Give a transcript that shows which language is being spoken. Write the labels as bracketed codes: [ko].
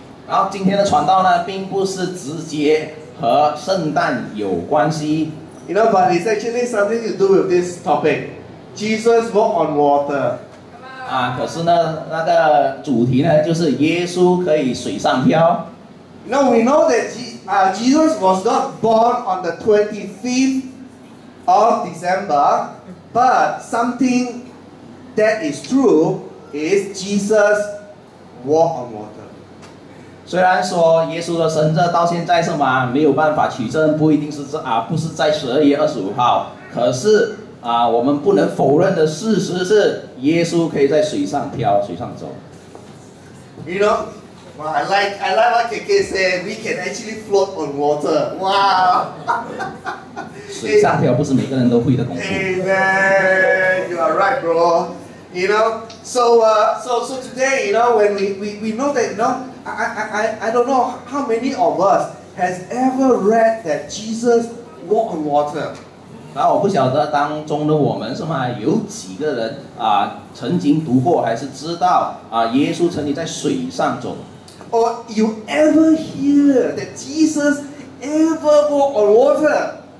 [zh] 然后今天的传道呢并不是直接和圣诞有关系。 [en] You know, but it's actually something to do with this topic. Jesus walked on water. [zh] 可是呢，那个主题呢，就是耶稣可以水上漂。 [en] Now we know that Jesus was not born on the 25th of December, but something that is true is Jesus walked on water. [zh] 虽然说耶稣的生日到现在是吗？没有办法取证，不一定是不是在12月25号，可是。我们不能否认的事实是耶稣可以在水上漂水上走。 [en] You know, Wow, I like what KK said. We can actually float on water. Wow. [zh] 水上漂不是每个人都会的功夫。 [en] Amen. You are right, bro. You know, so today, you know, when we know that, you know, I don't know how many of us has ever read that Jesus walked on water. [zh] 然后我不晓得当中的我们是吗？有几个人曾经读过还是知道耶稣曾经在水上走？ [en] Or you ever hear that Jesus ever walked on water?